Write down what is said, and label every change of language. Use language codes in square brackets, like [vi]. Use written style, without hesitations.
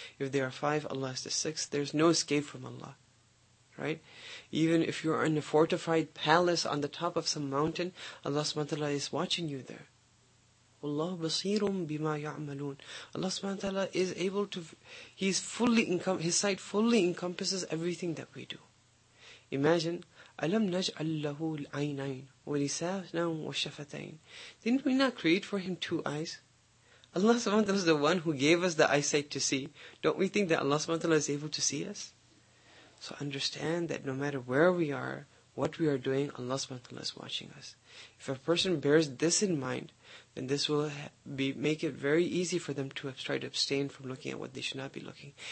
[en] If there are five, Allah is the sixth. There's no escape from Allah. Right? Even if you're in a fortified palace on the top of some mountain, Allah subhanahu wa ta'ala is watching you there. Allah basirum bima ya'malun. Allah subhanahu wa ta'ala is able to, His sight fully encompasses everything that we do. [ar] Imagine, أَلَمْ نَجْعَلْ لَهُ الْعَيْنَيْنِ وَلِسَانًا وَشَفَتَيْنِ. [en] Didn't we not create for him two eyes? Allah subhanahu wa ta'ala is the one who gave us the eyesight to see. Don't we think that Allah subhanahu wa ta'ala is able to see us? So understand that no matter where we are, what we are doing, Allah subhanahu wa ta'ala is watching us. If a person bears this in mind, then this will make it very easy for them to try to abstain from looking at what they should not be looking.